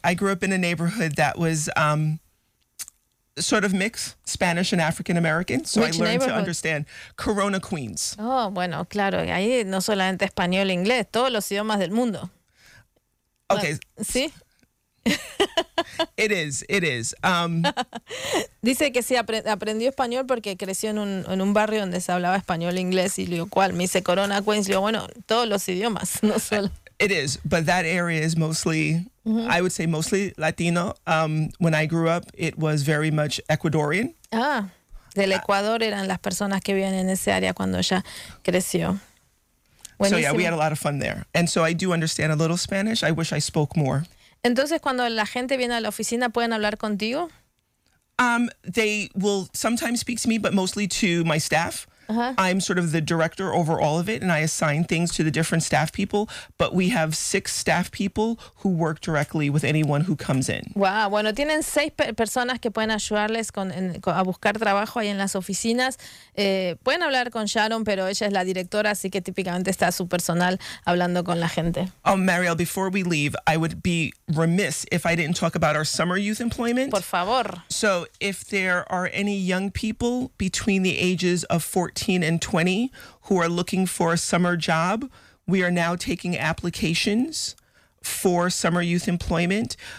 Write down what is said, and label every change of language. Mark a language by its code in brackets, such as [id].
[en] I grew up in a neighborhood that was sort of mixed Spanish and African American, so which I learned to understand Corona, Queens. [es] Oh, bueno, claro, ahí no solamente español e inglés, todos los idiomas del mundo. [en] Okay. [es] ¿Sí? [en] It is. [es] Dice que sí, aprendió español porque creció en un barrio donde se hablaba español e inglés, y lo cual me dice Corona, Queens, y yo, bueno, todos los idiomas, no solo. [en] It is, but that area is mostly, mm-hmm, I would say mostly Latino. When I grew up, it was very much Ecuadorian. [es] Ah, del Ecuador eran las personas que vivían en ese área cuando ella creció. Buenísimo. [en] So yeah, we had a lot of fun there. And so I do understand a little Spanish. I wish I spoke more. [es] Entonces, cuando la gente viene a la oficina, ¿pueden hablar contigo? [en] They will sometimes speak to me, but mostly to my staff. Uh-huh. I'm sort of the director over all of it, and I assign things to the different staff people, but we have 6 staff people who work directly with anyone who comes in. [es] Wow, bueno, tienen 6 personas que pueden ayudarles a buscar trabajo ahí en las oficinas. Pueden hablar con Sharon, pero ella es la directora, así que típicamente está su personal hablando con la gente. [en] Oh, Mariel, before we leave, I would be remiss if I didn't talk about our summer youth employment. [es] Por favor. [en] So if there are any young people between the ages of 14 and 20 who are looking for a summer job, we are now taking applications for summer youth employment.